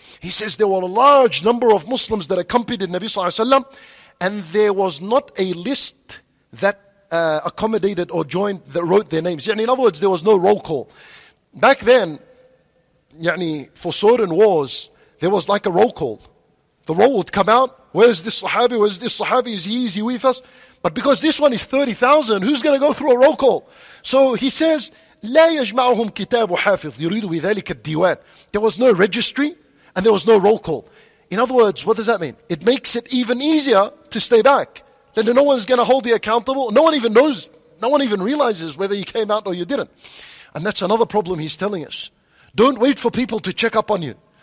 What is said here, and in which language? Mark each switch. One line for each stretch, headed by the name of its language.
English: He says there were a large number of Muslims that accompanied Nabi Sallallahu Alaihi Wasallam, and there was not a list that accommodated or joined that wrote their names. In other words, there was no roll call. Back then, for certain wars, there was like a roll call. The roll would come out. Where's this Sahabi? Where's this Sahabi? Is he with us? But because this one is 30,000, who's going to go through a roll call? So he says,
Arabic: لَا يَجْمَعُهُمْ كِتَابُ حَافِظٍ يُرِيدُ بِذَلِكَ الدِّيوَانِ.
English: There was no registry. And there was no roll call. In other words, what does that mean? It makes it even easier to stay back. Then no one's going to hold you accountable. No one even knows. No one even realizes whether you came out or you didn't. And that's another problem he's telling us. Don't wait for people to check up on you.